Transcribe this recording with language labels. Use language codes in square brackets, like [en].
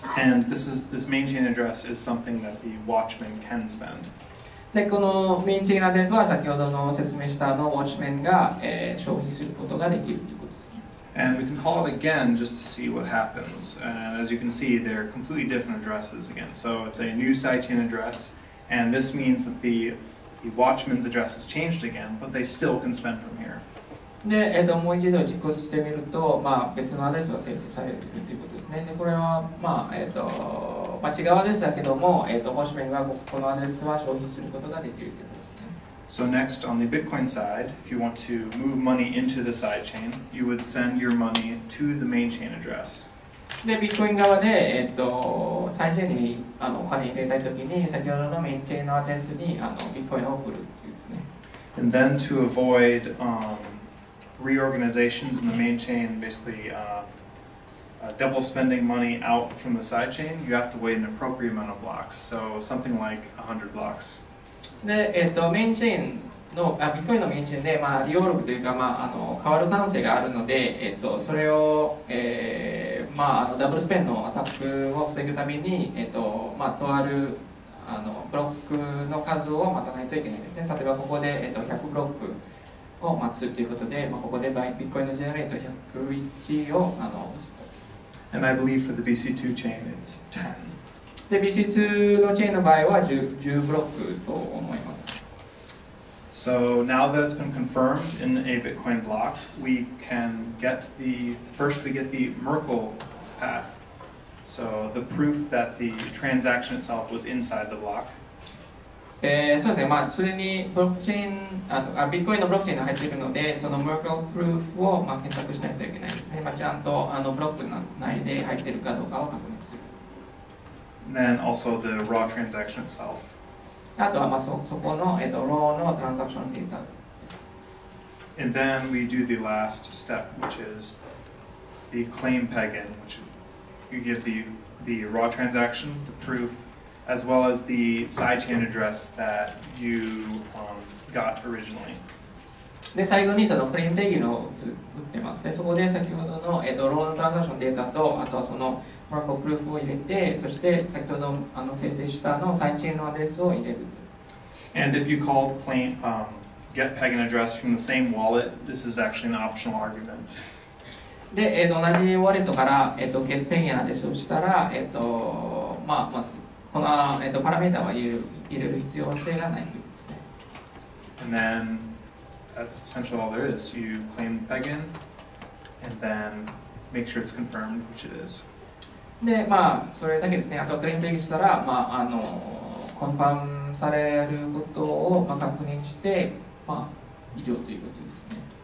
[en] And this main chain address is something that the watchman can spend. [ja] で、このメインチェーンアドレスは先ほどの説明したのウォッチメンが、消費することができるということですね。 [en] And we can call it again just to see what happens. And as you can see, they're completely different addresses again. So it's a new sidechain address, and this means that the watchman's address has changed again, but they still can spend from here. [ja] で、もう一度実行してみると、まあ、別のアドレスが生成されてくるということですね。で、これは、まあ、まあ、違うアドレスだけども、ウォッチメンがこのアドレスは消費することができるということですね。 [en] So next, on the Bitcoin side, if you want to move money into the sidechain, you would send your money to the main chain address. [ja] で、Bitcoin 側で、サイチェーンにお金入れたいときに、先ほどのメインチェーンのアドレスにBitcoin を送るというですね。 [en] And then to avoid, reorganizations in the main chain, basically double spending money out from the side chain, you have to wait an appropriate amount of blocks, so something like 100 blocks. [ja] で、メインチェーンの、ビットコインのメインチェーンで、まあ、リオログというか、まあ、変わる可能性があるので、それを、まあ、ダブルスペンのアタックを防ぐために、まあ、とあるブロックの数を待たないといけないですね。例えばここで、100ブロックを待つということで、まあ、ここでビットコインのジェネレート101を打つと。 [en] And I believe for the BC2 chain, it's 10. [ja] で、BC2 のチェーンの場合は 10ブロックと思います。 [en] So now that it's been confirmed in a Bitcoin block, we can get the, first we get the Merkle path. So the proof that the transaction itself was inside the block. [ja] そうですね、まあ、それにブロックチェーン、ビットコインのブロックチェーンが入っているので、そのMerkle proof を、まあ、検索しないといけないですね。まあ、ちゃんとブロック内で入っているかどうかを確認する。 [en] Then also the raw transaction itself. [ja] あとは、まあ、そこの、raw のトランザクションデータです。 [en] And then we do the last step, which is the claim peg-in, which you give the raw transaction, the proof. As well as the sidechain address that you got originally. [ja] で最後にそのクレーンペギンを打ってます。でそこで先ほどのローのトランザクションデータとあとはそのマークプルーフを入れて、そして先ほど生成したのサイチェーンのアドレスを入れると。 [en] And if you called claim get pegging address from the same wallet, this is actually an optional argument. [ja] で同じウォレットから get pegging アドレスをしたらまあまあ。この、パラメータは入れる必要性がないですね。 [en] And then that's essentially all there is. You claim the peg-in and then make sure it's confirmed, which it is. [ja] で、まあ、それだけですね。あとはクレームペグしたら、まあ、コンファームされることを、まあ、確認して、まあ、以上ということですね。